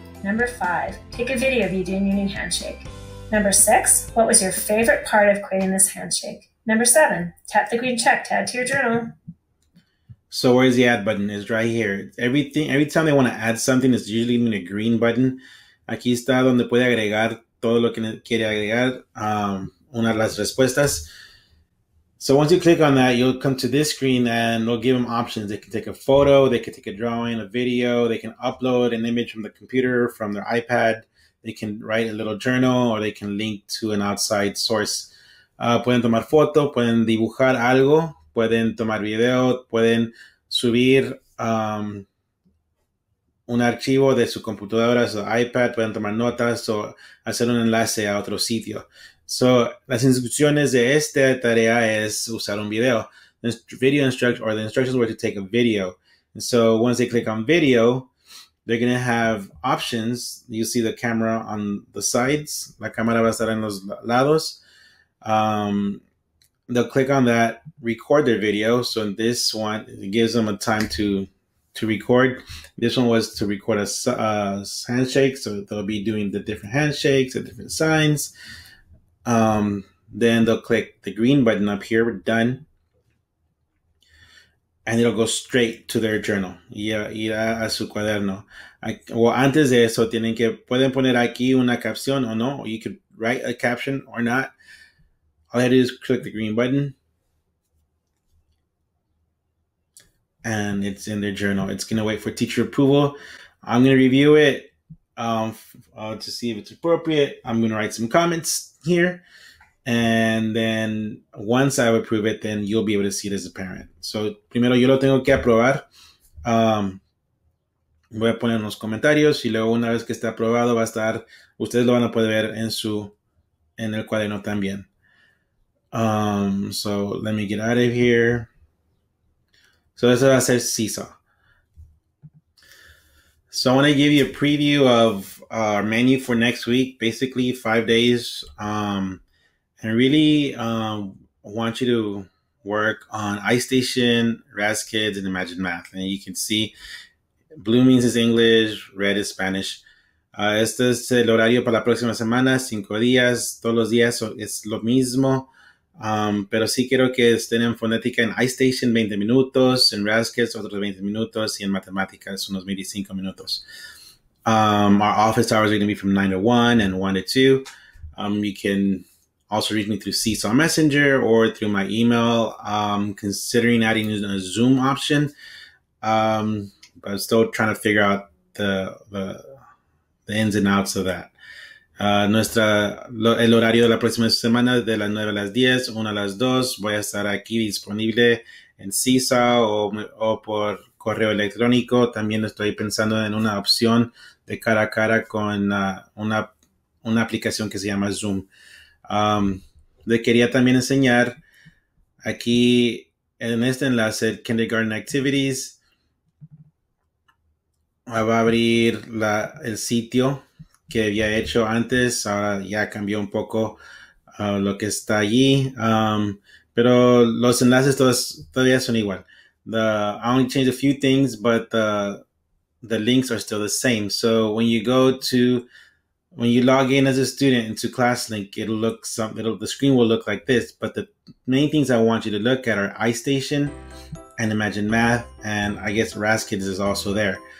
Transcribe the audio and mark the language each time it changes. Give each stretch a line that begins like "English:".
English: Number five, take a video of you doing your new handshake. Number six, what was your favorite part of creating this handshake? Number seven, tap the green check to add to your journal. So where's the add button? It's right here. Every time they want to add something, it's usually in a green button.
Spanish: Aquí está donde puede agregar todo lo que quiere agregar. Una de las respuestas.
English: So once you click on that, you'll come to this screen and it'll give them options. They can take a photo, they can take a drawing, a video, they can upload an image from the computer, from their iPad, they can write a little journal, or they can link to an outside source.
Spanish: Pueden tomar foto, pueden dibujar algo, pueden tomar video, pueden subir un archivo de su computadora, su iPad, pueden tomar notas o hacer un enlace a otro sitio. So, las instrucciones de esta tarea es usar un video.
English: This video instruction, or the instructions were to take a video. And so, once they click on video, they're going to have options. You see the camera on the sides. La cámara va a estar en los lados. They'll click on that, record their video. So, in this one, it gives them a time to record. This one was to record a handshake. So, they'll be doing the different handshakes, the different signs. Then they'll click the green button up here, we're done, and it'll go straight to their journal,
Spanish: ir a su cuaderno. Antes de eso, pueden poner aquí una caption o no,
English: or you could write a caption or not. All they have to do is click the green button, and it's in their journal. It's going to wait for teacher approval. I'm going to review it to see if it's appropriate. I'm going to write some comments here, and then once I approve it, then you'll be able to see it as a parent.
Spanish: So primero yo lo tengo que aprobar. Voy a poner unos comentarios y luego una vez que esté aprobado va a estar, ustedes lo van a poder ver en el cuaderno también.
English: So let me get out of here. So
Spanish: eso va a ser Seesaw.
English: So I want to give you a preview of our menu for next week, basically 5 days. And really want you to work on iStation, RazKids, and Imagine Math. And you can see Blue means is English, red is Spanish.
Spanish: Este es el horario para la próxima semana, 5 días, todos los días es lo mismo. Pero sí quiero que estén en fonética en iStation 20 minutos, en Raskets otros 20 minutos y en matemáticas unos 25 minutos.
English: Our office hours are going to be from 9 to 1 and 1 to 2. You can also reach me through Seesaw Messenger or through my email. Considering adding a Zoom option, but I'm still trying to figure out the ins and outs of that.
Spanish: El horario de la próxima semana de las 9 a las 10, 1 a las 2, voy a estar aquí disponible en CISA o por correo electrónico. También estoy pensando en una opción de cara a cara con una aplicación que se llama Zoom. Le quería también enseñar aquí en este enlace Kindergarten Activities. Va a abrir el sitio que había hecho antes, ahora ya cambió un poco lo que está allí, pero los enlaces todavía son igual.
English: I only changed a few things, but the links are still the same. So when you log in as a student into ClassLink, the screen will look like this, but the main things I want you to look at are iStation and Imagine Math, and I guess RaskKids is also there.